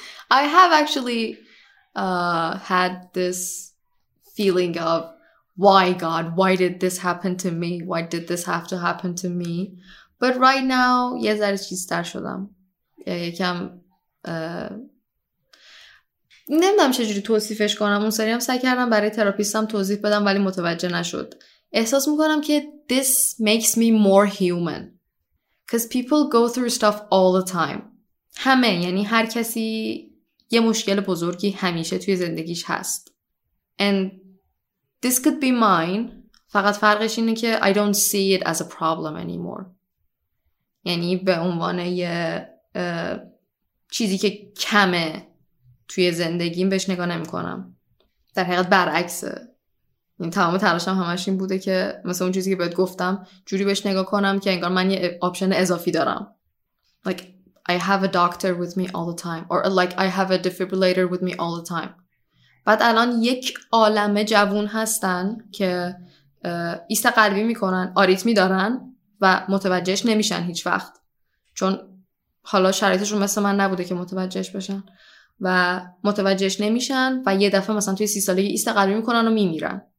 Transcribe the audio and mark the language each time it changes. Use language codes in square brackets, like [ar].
[en] I have actually had this feeling of why God, why did this happen to me? Why did this have to happen to me? But right now, [fa] یه ذره چیزتر شدم. یکم نمیدونم چجوری توصیفش کنم. اون سری هم سعی کردم برای تراپیستم توضیح بدم ولی متوجه نشد. احساس میکنم که [en] this makes me more human. Because people go through stuff all the time. [fa] همه یعنی هر کسی یه مشکل بزرگی همیشه توی زندگیش هست. [en] And this could be mine. [fa] فقط فرقش اینه که [en] I don't see it as a problem anymore. [fa] یعنی به عنوان یه چیزی که کمه توی زندگیم بهش نگاه نمی کنم. در حقیقت برعکسه. این تمام تلاشم همش این بوده که مثلا اون چیزی که بهت گفتم جوری بهش نگاه کنم که انگار من یه آپشن اضافی دارم. [en] Like I have a doctor with me all the time or like I have a defibrillator with me all the time. [fa] بعد الان یک عالمه جوون هستن که ایست قلبی میکنن، آریتمی دارن و متوجهش نمیشن هیچ وقت. چون حالا شرایطشون مثل من نبوده که متوجهش بشن و متوجهش نمیشن و یه دفعه مثلا توی 30 سالگی ایست قلبی میکنن و میمیرن.